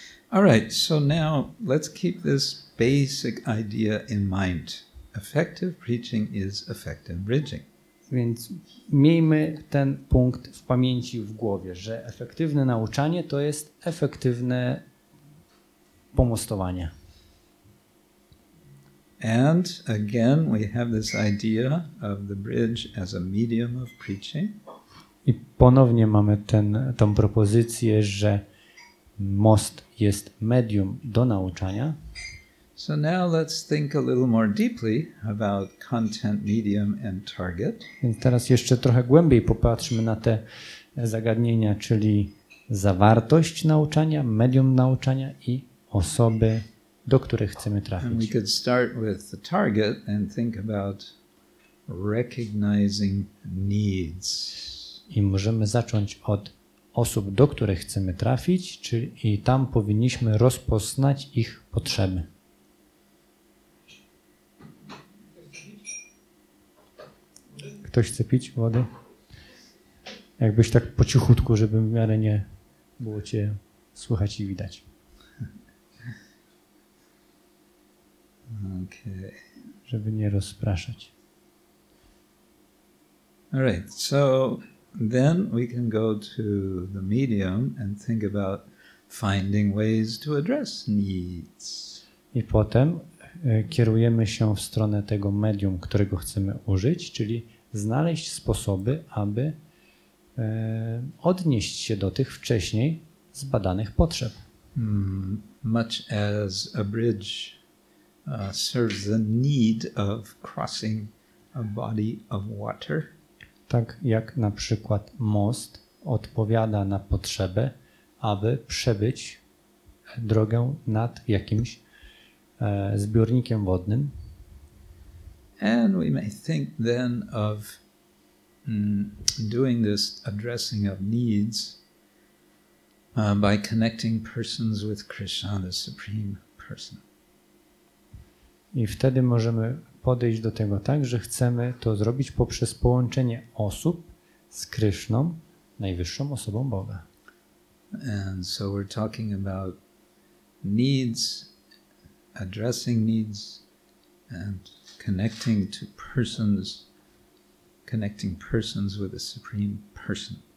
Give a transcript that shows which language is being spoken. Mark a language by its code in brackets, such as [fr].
[en] All right, so now let's keep this basic idea in mind. Effective preaching is effective bridging. [pl] Więc miejmy ten punkt w pamięci, w głowie, że efektywne nauczanie to jest efektywne pomostowanie. [en] And again we have this idea of the bridge as a medium of preaching. [pl] I ponownie mamy tę propozycję, że most jest medium do nauczania. [en] So now let's think a little more deeply about content, medium and target. [pl] Więc teraz jeszcze trochę głębiej popatrzmy na te zagadnienia, czyli zawartość nauczania, medium nauczania i osoby, do których chcemy trafić. [en] And we could start with the target and think about recognizing needs. [pl] I możemy zacząć od osób, do których chcemy trafić, czyli i tam powinniśmy rozpoznać ich potrzeby. Ktoś chce pić wody? Jakbyś tak po cichutku, żeby w miarę nie było cię słychać i widać. [en] Okay. [pl] Żeby nie rozpraszać. [en] All right. So then we can go to the medium and think about finding ways to address needs. I potem kierujemy się w stronę tego medium, którego chcemy użyć, czyli znaleźć sposoby, aby odnieść się do tych wcześniej zbadanych potrzeb. Much as a bridge serves the need of crossing a body of water. [pl] Tak jak na przykład most odpowiada na potrzebę, aby przebyć drogę nad jakimś zbiornikiem wodnym. [en] And we may think then of doing this addressing of needs by connecting persons with Krishna, the Supreme Person. [pl] I wtedy możemy podejść do tego tak, że chcemy to zrobić poprzez połączenie osób z Kryszną, najwyższą osobą Boga. [en] And so we're talking about needs, addressing needs and connecting to persons, connecting persons with the Supreme Person.